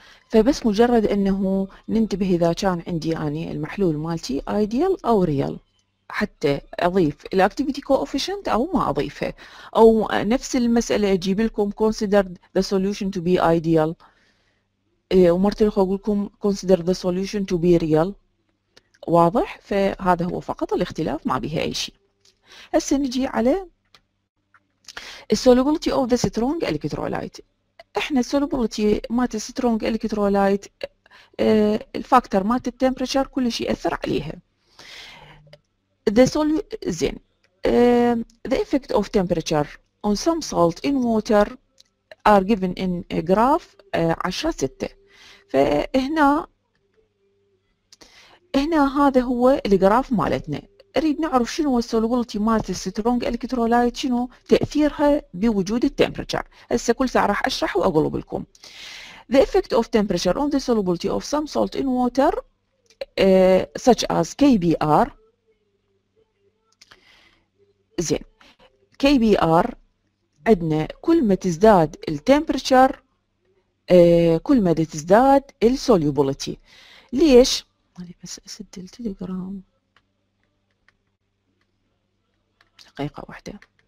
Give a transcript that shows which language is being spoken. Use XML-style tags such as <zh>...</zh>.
<ar>فبس مجرد انه ننتبه اذا كان عندي اني يعني المحلول مالتي ايديال او ريال حتى اضيف الاكتيفيتي كوفيشنت او ما اضيفه، او نفس المساله اجيب لكم</ar> <en>considered the solution to be ideal</en> <ar>ومرت لكم اقول لكم</ar> <en>considered the solution to be real.</en> <ar>واضح؟ فهذا هو فقط الاختلاف، ما بها اي شيء. هسه نجي على</ar> <en>solubility of the strong electrolyte.</en> <ar>احنا السولوبيليتي مالت السترونج الكترولايت الفاكتور مالت التمبريتشر كل شيء ياثر عليها.</ar> <en>زين the effect of temperature on some salt in water are given in graph 10.6.</en> <ar>فهنا هذا هو الجراف مالتنا. اريد نعرف شنو هو السولوبيليتي مالت السترونج الكترولايت، شنو تاثيرها بوجود التمبرتشر. هسه كل ساعه راح اشرح واقولوا لكم.</ar> <en>The effect of temperature on the solubility of some salt in water such as KBr.</en> <ar>زين KBr عندنا كل ما تزداد التمبرتشر كل ما تزداد السولوبيليتي. ليش؟ بس اسد التليجرام دقيقة واحدة.</ar>